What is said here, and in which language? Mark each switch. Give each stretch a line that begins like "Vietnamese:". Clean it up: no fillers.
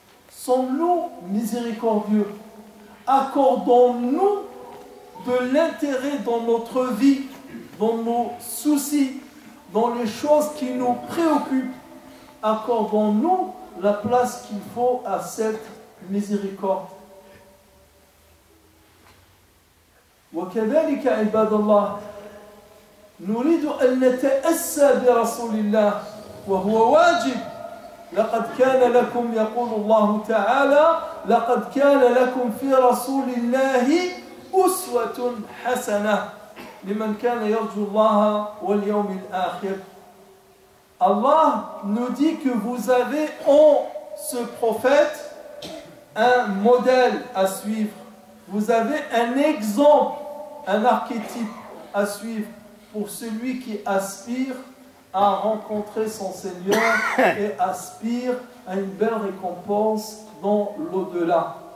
French: Sommes-nous miséricordieux? Accordons-nous de l'intérêt dans notre vie, dans nos soucis, dans les choses qui nous préoccupent? Accordons-nous la place qu'il faut à cette miséricorde.
Arabic: وكذلك عباد الله نريد أن نتأسى برسول الله وهو واجب. لقد كان لكم يقول الله تعالى لقد كان لكم في رسول الله أسوة حسنة لمن كان يرجو الله واليوم الآخر.
French: الله nous dit que vous avez en ce prophète un modèle à suivre. Vous avez un exemple, un archétype à suivre pour celui qui aspire à rencontrer son Seigneur et aspire à une belle récompense dans l'au-delà.